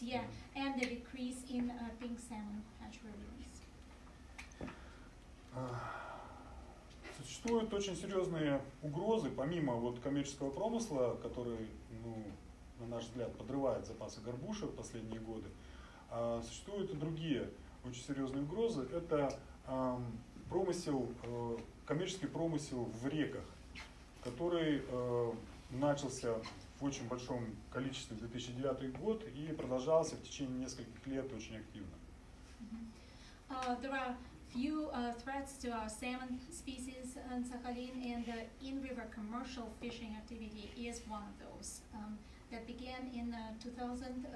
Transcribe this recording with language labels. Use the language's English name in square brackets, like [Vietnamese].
[English] yeah, and the decrease in pink salmon hatchery release. [Russian] Существуют очень серьезные угрозы, помимо вот коммерческого промысла, который, ну, на наш взгляд, подрывает запасы горбуши в последние годы. Существуют и другие очень серьезные угрозы. Это промысел, коммерческий промысел в реках, который начался в очень большом количестве в 2009 год и продолжался в течение нескольких лет очень активно. [English] There are few threats to our salmon species on Sakhalin, and the in-river commercial fishing activity is one of those that began in 2000.